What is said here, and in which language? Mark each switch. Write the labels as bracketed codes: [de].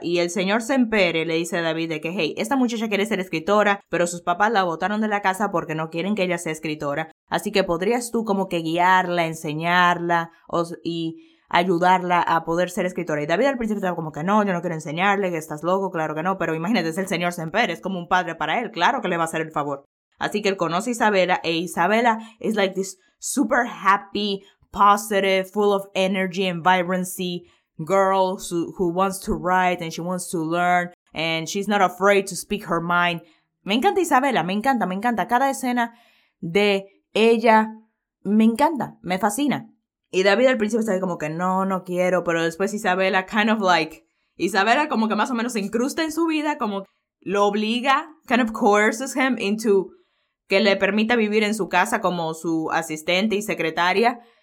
[es] Y el señor Sempere le dice a David de que, hey, esta muchacha quiere ser escritora, pero sus papás la botaron de la casa porque no quieren que ella sea escritora. Así que podrías tú como que guiarla, enseñarla y ayudarla a poder ser escritora. Y David al principio estaba como que no, yo no quiero enseñarle, que estás loco, claro que no. Pero imagínate, es el señor Sempere, es como un padre para él, claro que le va a hacer el favor. Así que él conoce a Isabela, e Isabela [en] is like this super happy, positive, full of energy and vibrancy girl who wants to write and she wants to learn and she's not afraid to speak her mind. [es] Me encanta Isabela, me encanta, me encanta. Cada escena de ella me encanta, me fascina. Y David al principio estaba como que no, no quiero, pero después Isabela [en] kind of like, [es] Isabela como que más o menos se incrusta en su vida, como lo obliga, [en] kind of coerces him into [es] que le permita vivir en su casa como su asistente y secretaria.